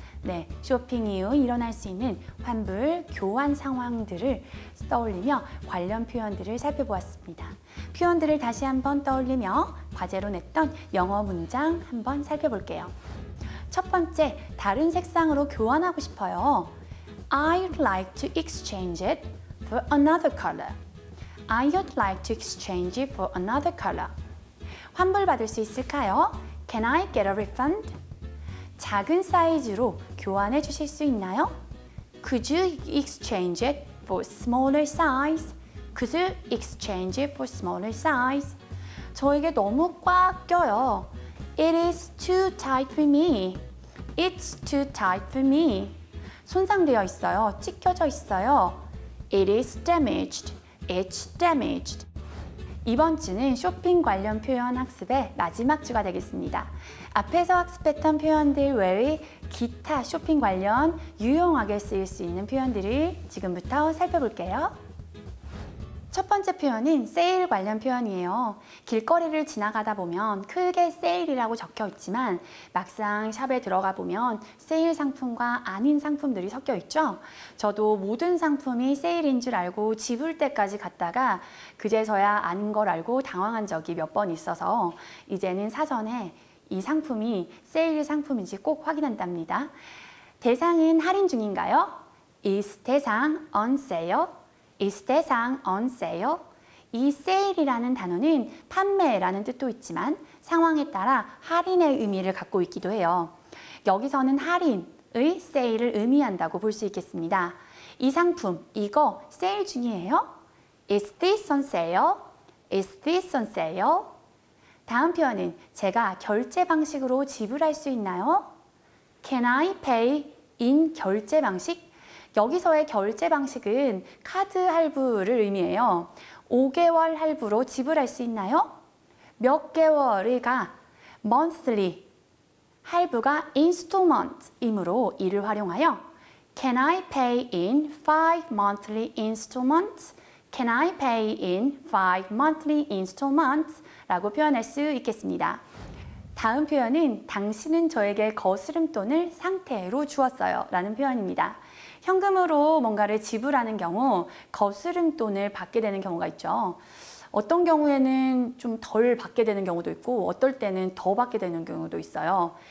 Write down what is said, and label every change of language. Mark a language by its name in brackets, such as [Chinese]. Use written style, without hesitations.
[Korean] 네, 쇼핑 이후 일어날 수 있는 환불, 교환 상황들을 떠올리며 관련 표현들을 살펴보았습니다. 표현들을 다시 한번 떠올리며 과제로 냈던 영어 문장 한번 살펴볼게요. 첫 번째, 다른 색상으로 교환하고 싶어요. [English] I'd like to exchange it for another color. I'd like to exchange it for another color. [Korean] 환불받을 수 있을까요? [English] Can I get a refund? [Korean] 작은 사이즈로 교환해 주실 수 있나요? [English] Could you exchange it for smaller size? Could you exchange it for smaller size? [Korean] 저에게 너무 꽉 껴요. [English] It is too tight for me. It's too tight for me. [Korean] 손상되어 있어요. 찢겨져 있어요. [English] It is damaged. It's damaged. [Korean] 이번 주는 쇼핑 관련 표현 학습의 마지막 주가 되겠습니다. 앞에서 학습했던 표현들 외에 기타 쇼핑 관련 유용하게 쓰일 수 있는 표현들을 지금부터 살펴볼게요. 첫 번째 표현은 세일 관련 표현이에요. 길거리를 지나가다 보면 크게 세일이라고 적혀 있지만 막상 샵에 들어가 보면 세일 상품과 아닌 상품들이 섞여 있죠. 저도 모든 상품이 세일인 줄 알고 지불 때까지 갔다가 그제서야 아닌 걸 알고 당황한 적이 몇 번 있어서 이제는 사전에 이 상품이 세일 상품인지 꼭 확인한답니다. 대상은 할인 중인가요? [English] Is 대상 on sale? Is 대상 on sale? [Korean] 이 sale이라는 단어는 판매라는 뜻도 있지만 상황에 따라 할인의 의미를 갖고 있기도 해요. 여기서는 할인의 sale을 의미한다고 볼 수 있겠습니다. 이 상품, 이거 sale 중이에요? [English] Is this on sale? Is this on sale? [Korean] 다음 표현은 제가 결제 방식으로 지불할 수 있나요? [English] Can I pay in 결제 방식? [Korean] 여기서의 결제 방식은 카드 할부를 의미해요. 5개월 할부로 지불할 수 있나요? 몇 개월이가 [English] monthly 할부가 installment이므로 [Korean] 이를 활용하여 [English] Can I pay in 5 monthly installments? Can I pay in 5 monthly installments? [Korean] 라고 표현할 수 있겠습니다. 다음 표현은 당신은 저에게 거스름돈을 상태로 주었어요 라는 표현입니다. 현금으로 뭔가를 지불하는 경우 거스름돈을 받게 되는 경우가 있죠. 어떤 경우에는 좀 덜 받게 되는 경우도 있고 어떨 때는 더 받게 되는 경우도 있어요.